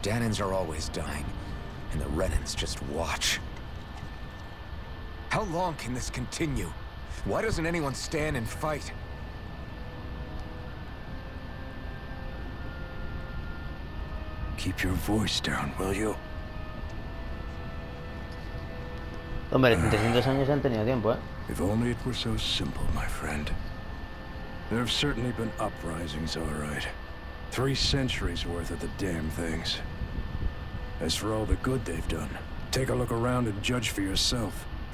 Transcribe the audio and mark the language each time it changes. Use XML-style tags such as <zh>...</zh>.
<en>Danans are always dying, and the Renans just watch. How long can this continue? Why doesn't anyone stand and fight? Keep your voice down, will you?</en> <es>Hombre, 300 años han tenido tiempo, ¿eh?</es> <en>If only it were so simple, my friend. There have certainly been uprisings, all right. 3 centuries worth of the damn things. As for all the good they've done, take a look around and judge for yourself.</en>